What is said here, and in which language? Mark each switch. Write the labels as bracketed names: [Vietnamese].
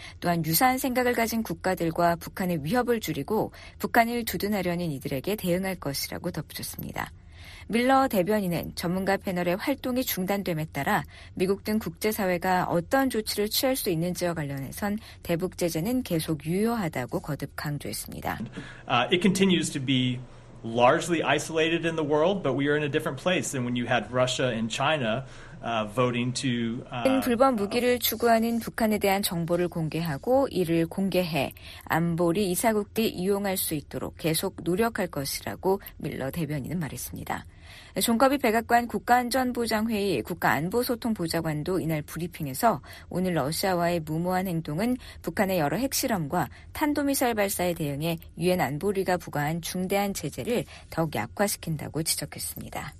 [Korean] 또한 유사한 생각을 가진 국가들과 북한의 위협을 줄이고 북한을 두둔하려는 이들에게 대응할 것이라고 덧붙였습니다. 밀러 대변인은 전문가 패널의 활동이 중단됨에 따라 미국 등 국제사회가 어떤 조치를 취할 수 있는지와 관련해선 대북 제재는 계속 유효하다고 거듭 강조했습니다. [English] It continues to be largely isolated in the world, but we are in a different place than when you had Russia and China. Voting to [Korean] 불법 무기를 추구하는 북한에 대한 정보를 공개하고 이를 공개해 안보리 이사국들이 이용할 수 있도록 계속 노력할 것이라고 밀러 대변인은 말했습니다. 존커비 백악관 국가안전보장회의 국가안보소통보좌관도 이날 브리핑에서 오늘 러시아와의 무모한 행동은 북한의 여러 핵실험과 탄도미사일 발사에 대응해 유엔 안보리가 부과한 중대한 제재를 더욱 약화시킨다고 지적했습니다.